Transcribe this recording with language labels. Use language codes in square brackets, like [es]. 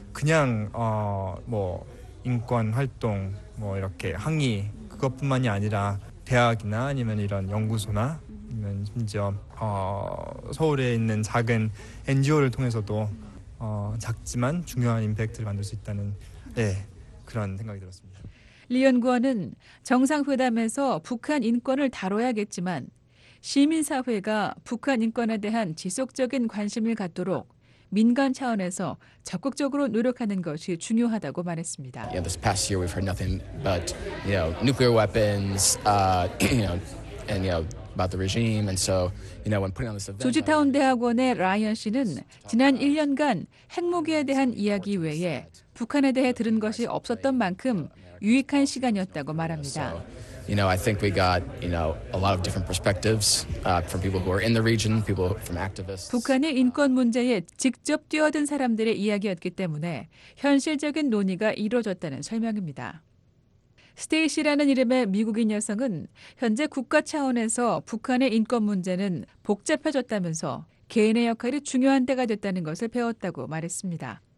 [ko] 그냥 뭐 인권 활동 뭐 이렇게 항의 그것뿐만이 아니라 대학이나 아니면 이런 연구소나 아니면 심지어 서울에 있는 작은 NGO를 통해서도 작지만 중요한 임팩트를 만들 수 있다는 네, 그런 생각이 들었습니다. 리 연구원은 정상회담에서 북한 인권을 다뤄야겠지만 시민사회가 북한 인권에 대한 지속적인 관심을 갖도록 민간 차원에서 적극적으로 노력하는 것이 중요하다고 말했습니다. [en] Yeah, this past year we've heard nothing but, you know, nuclear weapons, and you know, about the regime and so, you know, when putting on this event. [ko] 조지타운 대학원의 라이언 씨는 지난 1년간 핵무기에 대한 이야기 외에 북한에 대해 들은 것이 없었던 만큼 유익한 시간이었다고 말합니다. [en] You know, I think we got, you know, a lot of different perspectives from people who are in the region, people from activists. [ko] 북한의 인권 문제에 직접 뛰어든 사람들의 이야기였기 때문에 현실적인 논의가 이루어졌다는 설명입니다. 스테이시라는 이름의 미국인 여성은 현재 국가 차원에서 북한의 인권 문제는 복잡해졌다면서 개인의 역할이 중요한 때가 됐다는 것을 배웠다고 말했습니다.